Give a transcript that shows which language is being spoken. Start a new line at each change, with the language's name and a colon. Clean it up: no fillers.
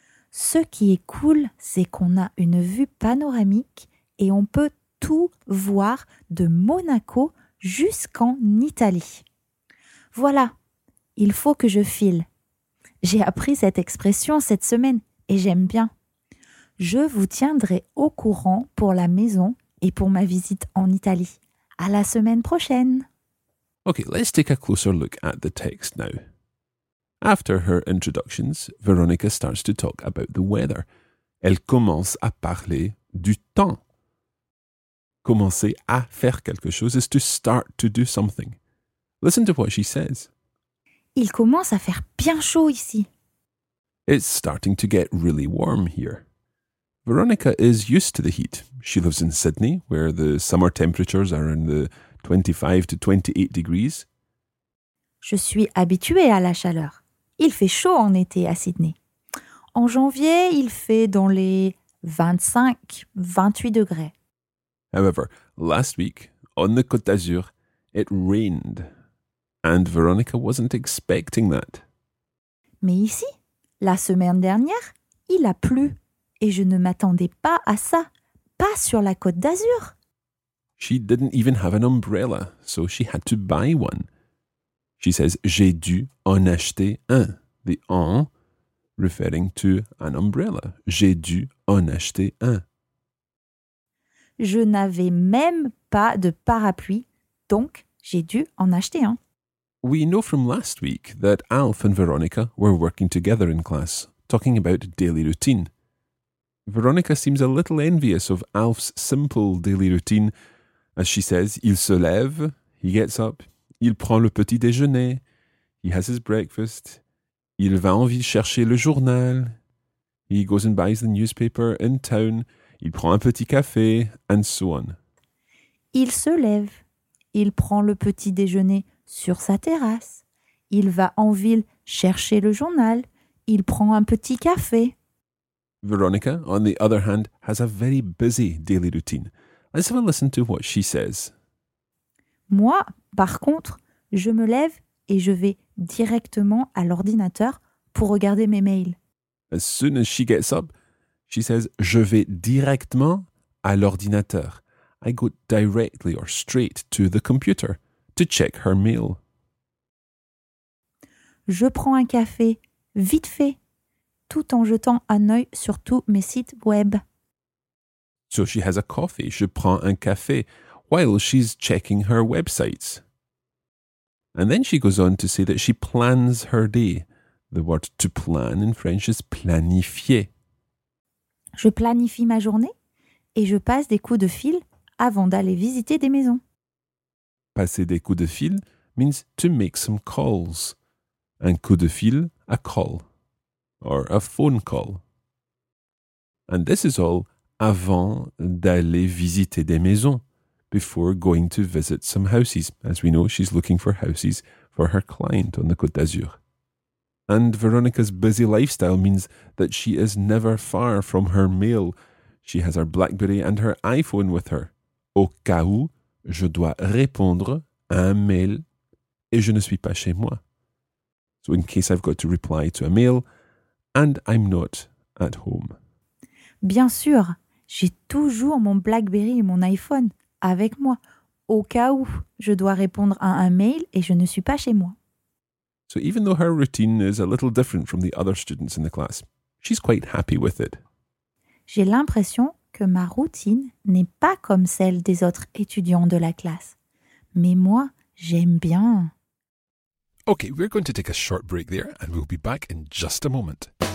French: Ce qui est cool, c'est qu'on a une vue panoramique et on peut tout voir de Monaco jusqu'en Italie. Voilà, il faut que je file. J'ai appris cette expression cette semaine et j'aime bien. Je vous tiendrai au courant pour la maison et pour ma visite en Italie. À la semaine prochaine.
English: Okay, let's take a closer look at the text now. After her introductions, Veronica starts to talk about the weather.
French: Elle commence à parler du temps. Commencer à faire quelque chose
English: is to start to do something. Listen to what she says.
French: Il commence à faire bien chaud ici.
English: It's starting to get really warm here. Veronica is used to the heat. She lives in Sydney, where the summer temperatures are in the 25 to 28 degrees.
French: Je suis habituée à la chaleur. Il fait chaud en été à Sydney. En janvier, il fait dans les 25-28 degrés.
English: However, last week, on the Côte d'Azur, it rained. And Veronica wasn't expecting that.
French: Mais ici, la semaine dernière, il a plu. Et je ne m'attendais pas à ça. Pas sur la Côte d'Azur.
English: She didn't even have an umbrella, so she had to buy one. She says,
French: j'ai dû en acheter un.
English: The en, referring to an umbrella.
French: J'ai dû en acheter un. Je n'avais même pas de parapluie, donc j'ai dû en acheter un.
English: We know from last week that Alf and Veronica were working together in class, talking about daily routine. Veronica seems a little envious of Alf's simple daily routine. As she says,
French: il se lève,
English: he gets up,
French: il prend le petit déjeuner,
English: he has his breakfast,
French: il va en ville chercher le journal,
English: he goes and buys the newspaper in town,
French: il prend un petit café,
English: and so on.
French: Il se lève, il prend le petit déjeuner sur sa terrasse, il va en ville chercher le journal, il prend un petit café.
English: Veronica, on the other hand, has a very busy daily routine. Let's have a listen to what she says.
French: Moi, par contre, je me lève et je vais directement à l'ordinateur pour regarder mes mails.
English: As soon as she gets up, she says,
French: je vais directement à l'ordinateur.
English: I go directly or straight to the computer to check her mail.
French: Je prends un café, vite fait, tout en jetant un œil sur tous mes sites web.
English: So she has a coffee,
French: je prends un café,
English: while she's checking her websites. And then she goes on to say that she plans her day. The word to plan in French is planifier.
French: Je planifie ma journée et je passe des coups de fil avant d'aller visiter des maisons. Passer des coups de fil
English: means to make some calls.
French: Un coup de fil,
English: a call, or a phone call. And this is all
French: avant d'aller visiter des maisons,
English: before going to visit some houses. As we know, she's looking for houses for her client on the Côte d'Azur. And Veronica's busy lifestyle means that she is never far from her mail. She has her BlackBerry and her iPhone with her.
French: Au cas où, je dois répondre à un mail et je ne suis pas chez moi.
English: So in case I've got to reply to a mail and I'm not at home.
French: Bien sûr. J'ai toujours mon BlackBerry et mon iPhone avec moi, au cas où je dois répondre à un mail et je ne suis pas chez moi.
English: So even though her routine is a little different from the other students in the class, she's quite happy with it.
French: J'ai l'impression que ma routine n'est pas comme celle des autres étudiants de la classe. Mais moi, j'aime bien.
English: Okay, we're going to take a short break there and we'll be back in just a moment.